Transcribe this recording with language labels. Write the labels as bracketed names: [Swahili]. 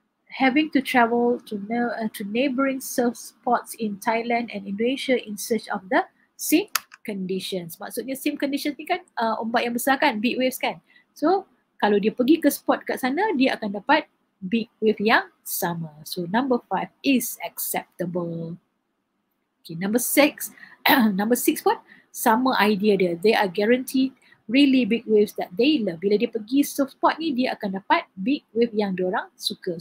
[English] Having to travel to neighboring surf spots in Thailand and Indonesia in search of the same conditions. [Malay] Maksudnya same conditions ni kan ombak yang besar kan, big waves kan. So kalau dia pergi ke spot kat sana, dia akan dapat big wave yang sama. [English] So number five is acceptable. Okay, number six. [Malay] Number six pun sama idea dia. [English] They are guaranteed really big waves that they love. [Malay] Bila dia pergi surf spot ni, dia akan dapat big wave yang diorang suka.